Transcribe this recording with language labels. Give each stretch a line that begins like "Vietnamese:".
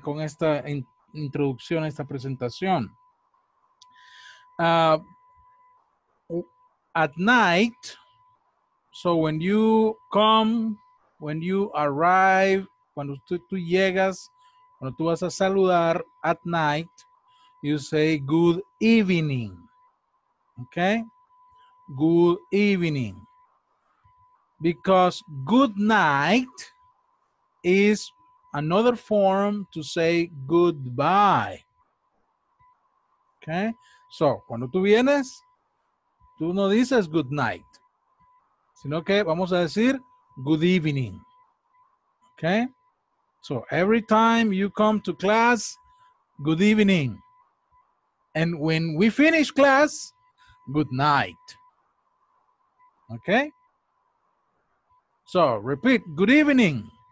Spanish: Con esta introducción a esta presentación.
English: At night, so when you come, when you arrive,
Spanish: cuando tú llegas, cuando tú vas a saludar
English: at night, you say good evening. Okay? Good evening. Because good night is another form to say goodbye. Okay? So,
Spanish: cuando tú vienes, tú no dices
English: good night,
Spanish: sino que vamos a decir
English: good evening. Okay? So, every time you come to class, good evening. And when we finish class, good night. Okay? So, repeat, good evening.